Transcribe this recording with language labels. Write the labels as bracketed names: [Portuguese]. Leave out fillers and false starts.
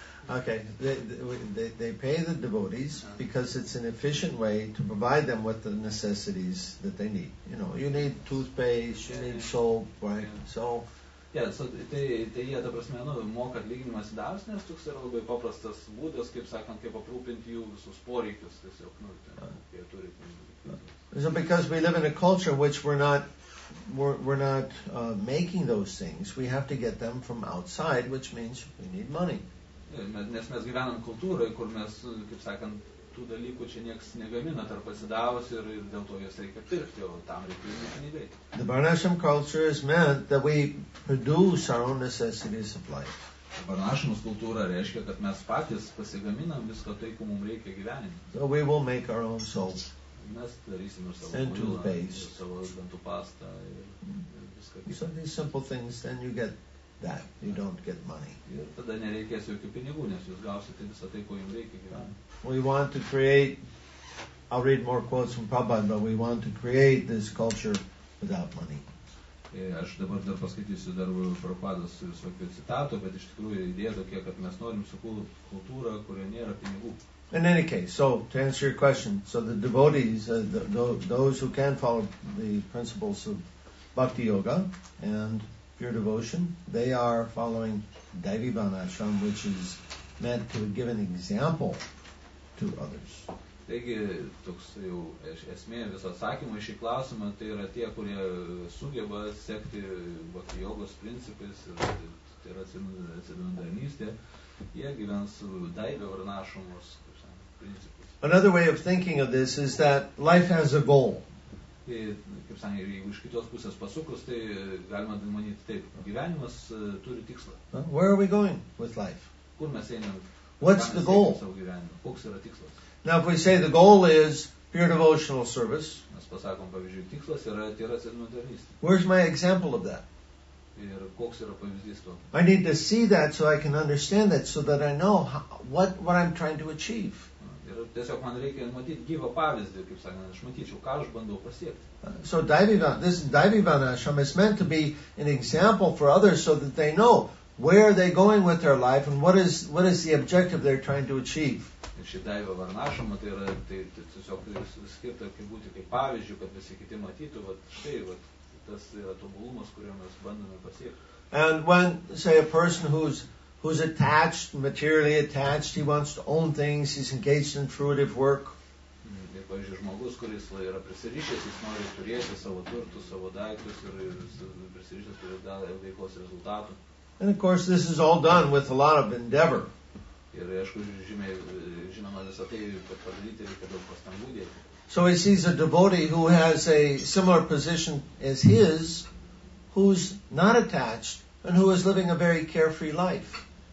[English] okay, they pay the devotees because it's an efficient way to provide them with the necessities that they need. You know, you need toothpaste, you need soap, right? So [Lithuanian] tai jie, ta prasme, nu, moka atlyginimą atsidavus, nes toks yra labai paprastas būdas, kaip sakant, kaip aprūpinti jų visus poreikius, tiesiog, nu, ten, jie turi. [English] So because we live in a culture which we're not making those things, we have to get them from outside, which means we need money. [Lithuanian] Nes mes gyvenam kultūroje, kur mes, kaip sakant, tų dalykų čia nieks negamina tarp pasidavus ir dėl to jas reikia pirkti, o tam reikia pinigai. [English] The Varnashram culture is meant that we produce our own necessities of life. [Lithuanian] Varnashramos kultūra reiškia, kad mes patys pasigaminam viską tai, ko mums reikia gyvenime. [English] So we will make our own soap. [Lithuanian] Mes darysim ir savo [English] and toothpaste. [Lithuanian] Savo dantų pastą ir viską. [English] So these simple things, then you get that. You don't get money. [Lithuanian] Ir tada nereikės jokių pinigų, nes jūs gausite visą tai, ko jums reikia gyventi. [English] We want to create, I'll read more quotes from Prabhupada, but we want to create this culture without money. [Lithuanian] Aš dabar dar paskaitysiu dar Prabhupados visokio citato, bet iš tikrųjų idėja tokia, kad mes norim sukurti kultūrą, kurioje nėra pinigų. [English] In any case, so to answer your question, so the devotees, those who can follow the principles of Bhakti Yoga and pure devotion, they are following Daivi Varnashram, which is meant to give an example to others. [Lithuanian] Taigi, toks jau esmė viso atsakymo į šį klausimą, tai yra tie, kurie sugeba sekti bhakti jogos principais, tai yra atsidundarnystė, jie gyvens daivio varnašumos principais. [English] Another way of thinking of this is that life has a goal. [Lithuanian] Kaip sakė, ir jeigu iš kitos pusės pasukus, tai galima manyti taip, gyvenimas turi tikslą. [English] Where are we going with life? [Lithuanian] Kur mes einam? [English] What's the goal? [Lithuanian] Koks yra tikslas? [English] Now, if we say the goal is pure devotional service, [Lithuanian] mes pasakom, pavyzdžiui, tikslas yra tyras atsidundarnystė. [English] Where's my example of that? [Lithuanian] Ir koks yra pavyzdys to? [English] I need to see that so I can understand it, so that I know what I'm trying to achieve. [Lithuanian] Ir tiesiog man reikia matyti gyvą pavyzdį, kaip sakant, aš matyčiau, ką aš bandau pasiekti. [English] So Daivivanasham is meant to be an example for others so that they know where are they going with their life and what is the objective they're trying to achieve. [Lithuanian] Ši daivio varnašama, tai yra tiesiog skirta kaip būti kaip pavyzdžių, kad visi kiti matytų, vat, štai, vat, tas yra tobulumas, kurio mes bandome pasiekti. [English] And when, say, a person who's attached, materially attached, he wants to own things, he's engaged in fruitive work. [Lithuanian] Ir, pavyzdžiui, žmogus, kuris yra prisirišęs, jis nori turėti savo turtus, savo daiktus ir prisirišęs prie veikos rezultatų. [English] And of course, this is all done with a lot of endeavor. [Lithuanian] Ir aišku, žinoma, visą tai padaryti reikia daug pastangų dėti. [English] So he sees a devotee who has a similar position as his, who's not attached and who is living a very carefree life.